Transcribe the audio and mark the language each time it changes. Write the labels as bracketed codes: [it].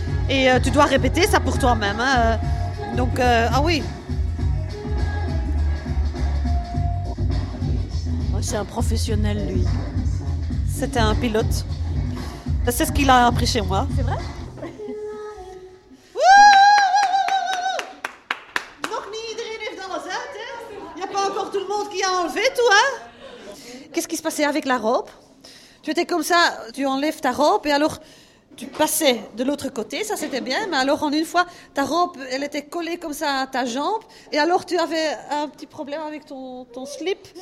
[fr] Et tu dois répéter ça pour toi-même. Hein. Donc, ah oui. Oh, c'est un professionnel, lui. C'était un pilote. C'est ce qu'il a appris chez moi. C'est vrai? [nl] Nog niet iedereen heeft alles uit, hein? [fr] Il n'y a pas encore tout le monde qui a enlevé, toi. Qu'est-ce qui se passait avec la robe? Tu étais comme ça, tu enlèves ta robe et alors... tu passais de l'autre côté, ça c'était bien, mais alors en une fois, ta robe, elle était collée comme ça à ta jambe, et alors tu avais un petit problème avec ton slip.